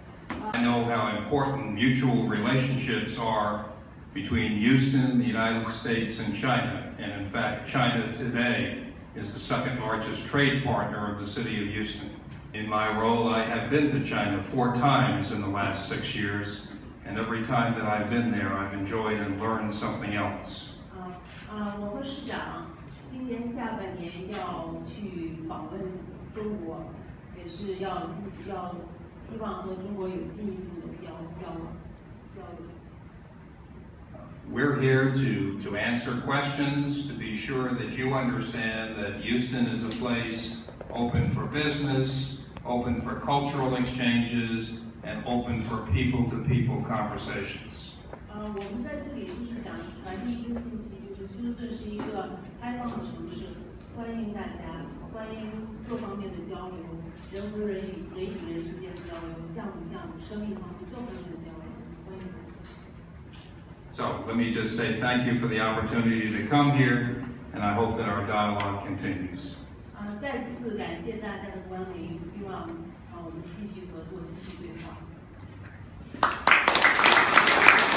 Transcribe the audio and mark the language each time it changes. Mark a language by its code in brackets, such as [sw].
[en] I know how important mutual relationships are between Houston, the United States, and China. And in fact, China today is the second largest trade partner of the city of Houston. In my role, I have been to China 4 times in the last 6 years. And every time that I've been there, I've enjoyed and learned something else. [zh] 我和市长今年下半年要去访问中国，也是要希望和中国有进一步的交流。 [en] We're here to answer questions, to be sure that you understand that Houston is a place open for business, open for cultural exchanges,and open for people-to-people conversations. [zh] 我们在这里就是想传递一个信息，就是休斯顿是一个开放的城市，欢迎大家，欢迎各方面的交流，人和人与人与人之间的交流，项目项目、生意方面各方面的交流，欢迎。 [en] So let me just say thank you for the opportunity to come here, and I hope that our dialogue continues. [zh] 再次感谢大家的光临，希望。